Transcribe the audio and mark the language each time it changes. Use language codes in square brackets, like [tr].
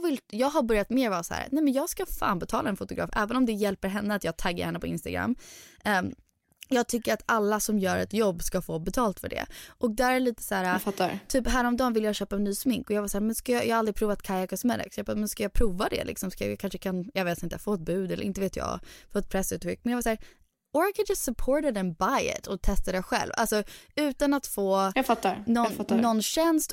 [sv] Jag har börjat mer vara så här. Nej, men jag ska fan betala en fotograf. Även om det hjälper henne att jag taggar henne på Instagram. Jag tycker att alla som gör ett jobb ska få betalt för det. Och där är lite så här, jag fattar. Typ häromdagen vill jag köpa en ny smink. Och jag var så här, men jag har aldrig provat Kaja Cosmetics. Jag bara, men ska jag prova det liksom? Ska jag kanske kan, jag vet inte, få ett bud eller inte vet jag. Få ett pressuttryck. Men jag var så här, [en] or I could just support it and buy it. [sv] Och testa det själv. Alltså utan att få någon tjänst.